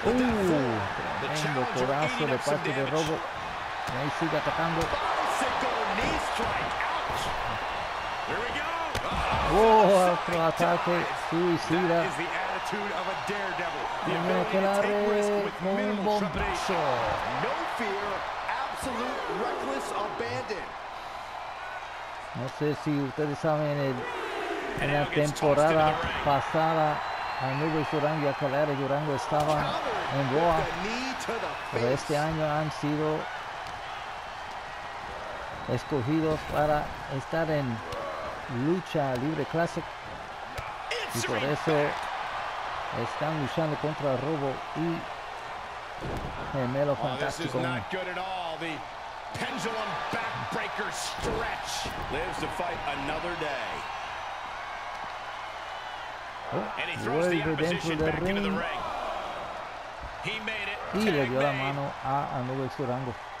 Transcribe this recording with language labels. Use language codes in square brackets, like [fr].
[en] Bicycle knee strike. Ouch. Here we go. [es] Whoa, otro ataque suicida. [en] That is the attitude of a daredevil. The ability to take risks with minimal trepidation. No fear, absolute reckless abandon. [es] No sé si ustedes saben, en la temporada pasada, Anubis Durango y Akelarre Durango estaban en Boa. Pero este año han sido escogidos para estar en Lucha Libre Classic, y por eso están luchando contra Robo y Gemelo Fantástico. [en] Oh, this is not good at all. The pendulum backbreaker stretch lives to fight another day. And he throws the opposition back into the ring. He made it. [es] Y le dio la mano a Anubix Durango.